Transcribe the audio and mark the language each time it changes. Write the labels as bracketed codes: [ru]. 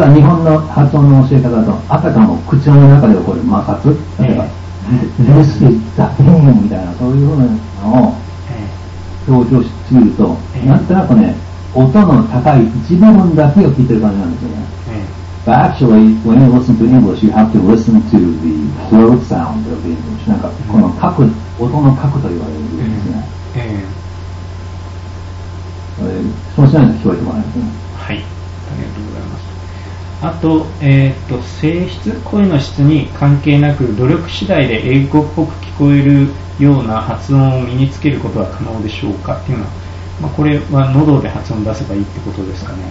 [ja] ただ日本の発音の教え方だと、あたかも口の中で起こる摩擦、例えば、 [en] This is the thing [ja] みたいな、そういうふうなのを強調しすぎると、なんとなくね、音の高い一部分だけを聞いてる感じなんですよね。 [en] But actually, when you listen to English, you have to listen to the throat sound of English. [ja] なんか、この書く、音の書くと言われるんですね。そうしないと聞こえてもらえますね。はい。ありがとうございます。あと、声質、声の質に関係なく、努力次第で英語っぽく聞こえるような発音を身につけることは可能でしょうかっていうのは、まあ、これは喉で発音出せばいいってことですかね。